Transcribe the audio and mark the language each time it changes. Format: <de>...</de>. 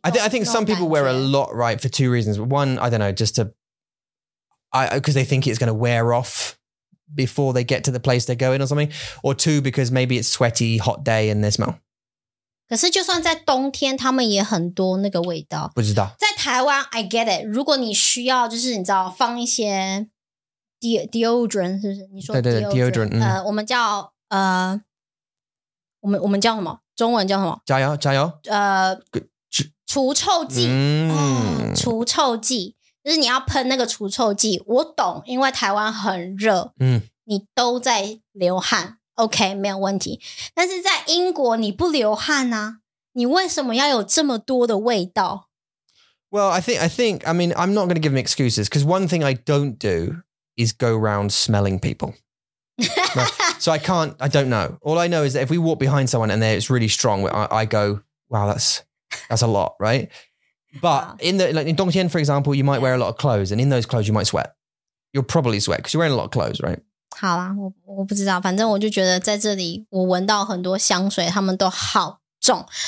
<en>I think some people wear a lot, right, for two reasons. One, I don't know, because they think it's going to wear off before they get to the place they're going or something. Or two, because maybe it's sweaty, hot day and they smell.</en> <zh>可是就算在冬天他们也很多那个味道。不知道。在台湾</zh> <en>I get it.</en> <zh>如果你需要就是你知道放一些 deodorant, 是不是你说 deodorant, 对对对 deodorant, 我们叫什么中文叫什么加油加油除臭剂、除臭剂就是你要喷那个除臭剂我懂因为台湾很热、你都在流汗 OK 没有问题但是在英国你不流汗啊你为什么要有这么多的味道</zh> <en>Well, I mean, I'm not going to give them excuses because one thing I don't do is go around smelling people So I don't know. All I know is that if we walk behind someone and it's really strong, I go, wow, that's a lot, right? But wow. In 冬天, for example, you might wear a lot of clothes and in those clothes, you might sweat. You'll probably sweat because you're wearing a lot of clothes, right?</en> <zh>好啦，我不知道，反正我就觉得在这里我闻到很多香水，他们都好重。</zh>